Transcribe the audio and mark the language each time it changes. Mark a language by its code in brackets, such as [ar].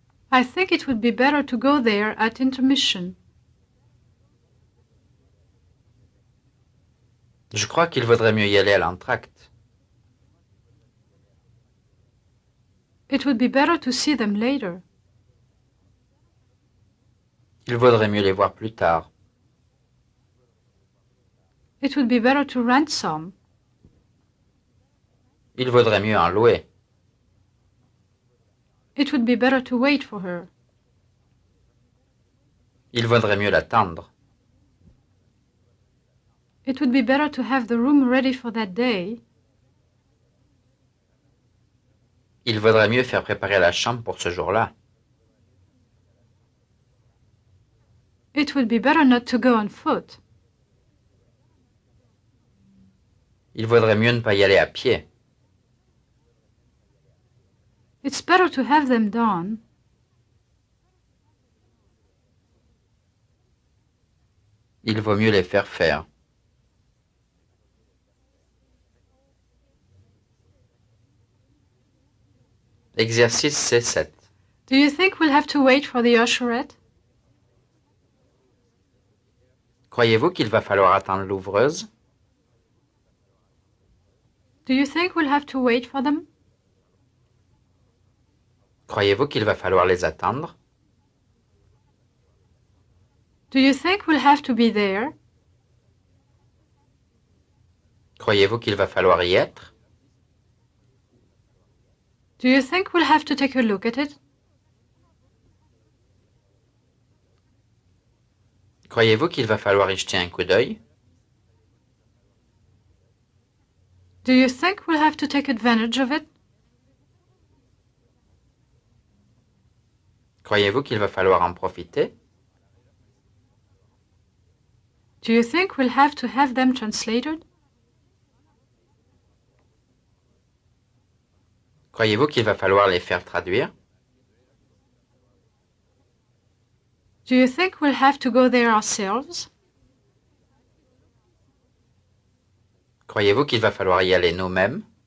[en] I think it would be better to go there at intermission. [fr] Je crois qu'il vaudrait mieux y aller à l'entracte. [en] It would be better to see them later. [fr] Il vaudrait mieux les voir plus tard. [en] It would be better to rent some. [fr] Il vaudrait mieux en louer. [en] It would be better to wait for her. [fr] Il vaudrait mieux l'attendre. [en] It would be better to have the room ready for that day. [fr] Il vaudrait mieux faire préparer la chambre pour ce jour-là. [en] It would be better not to go on foot. [fr] Il vaudrait mieux ne pas y aller à pied. [en] It's better to have them done. [fr] Il vaut mieux les faire faire. Exercice C7. [en] Do you think we'll have to wait for the usherette? [fr] Croyez-vous qu'il va falloir attendre l'ouvreuse? [en] Do you think we'll have to wait for them? [fr] Croyez-vous qu'il va falloir les attendre? [en] Do you think we'll have to be there? [fr] Croyez-vous qu'il va falloir y être? [en] Do you think we'll have to take a look at it? [fr] Croyez-vous qu'il va falloir y jeter un coup d'œil? [en] Do you think we'll have to take advantage of it? [fr] Croyez-vous qu'il va falloir en profiter? [en] Do you think we'll have to have them translated? [fr] Croyez-vous qu'il va falloir les faire traduire? [en] Do you think we'll have to go there ourselves? [fr] Croyez-vous qu'il va falloir y aller nous-mêmes?